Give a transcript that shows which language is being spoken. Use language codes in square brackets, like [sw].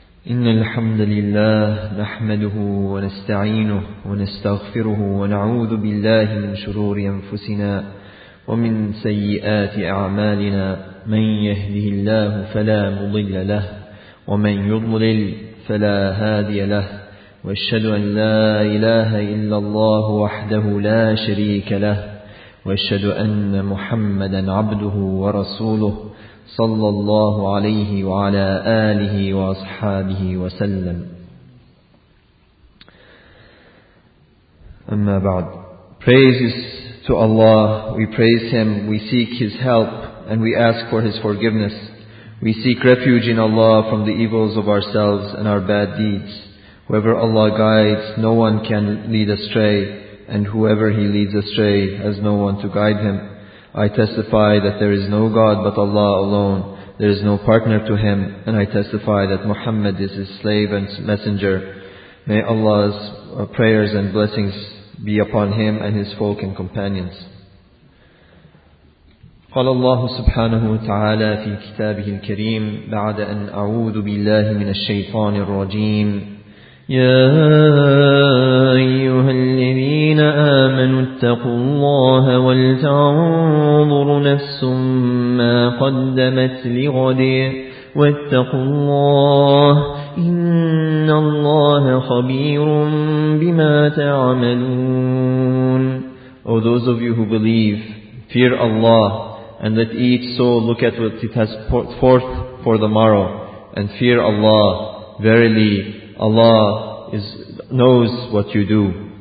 [ar] إن الحمد لله نحمده ونستعينه ونستغفره ونعوذ بالله من شرور أنفسنا ومن سيئات أعمالنا، من يهده الله فلا مضل له ومن يضلل فلا هادي له، وأشهد أن لا إله إلا الله وحده لا شريك له، وأشهد أن محمدا عبده ورسوله صلى الله عليه وعلى آله وأصحابه وسلم. [en] أما بعد، praises to Allah, we praise Him, we seek His help and we ask for His forgiveness. We seek refuge in Allah from the evils of ourselves and our bad deeds. Whoever Allah guides, no one can lead astray, and whoever He leads astray has no one to guide him. I testify that there is no God but Allah alone, there is no partner to Him, and I testify that Muhammad is His slave and messenger. May Allah's prayers and blessings be upon him and his folk and companions. [ar] قال الله سبحانه وتعالى في كتابه الكريم بعد أن أعوذ بالله من الشيطان الرجيم يا أيها الذين آمنوا اتقوا الله ولتنظر نفس ما قدمت لغد واتقوا الله إن الله خبير بما تعملون. [en] O those of you who believe, fear Allah and let each soul look at what it has put forth for the morrow, and fear Allah. Verily, Allah knows what you do.